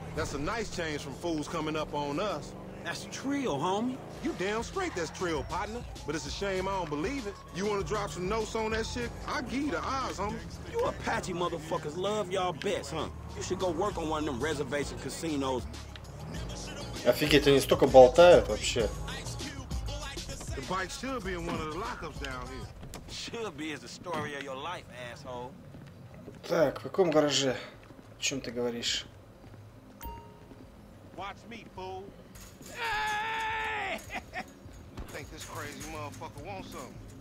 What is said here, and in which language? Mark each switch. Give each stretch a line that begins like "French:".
English: That's a nice change from fools coming up on us. That's trill, homie. You damn straight that's trill, partner. But it's a shame I don't believe it. You wanna drop some notes on that shit? I give you the odds, homie. You Apache motherfuckers love y'all best, huh? You should go work on one of them reservation casinos.
Russian: Офигеть, они столько болтают вообще.
English: The bike should be in one of the lockups down here. Should be is the story of your life, asshole.
Russian: Так, в каком гараже? О чем ты говоришь?
English: Watch me, fool. You think this crazy motherfucker wants something?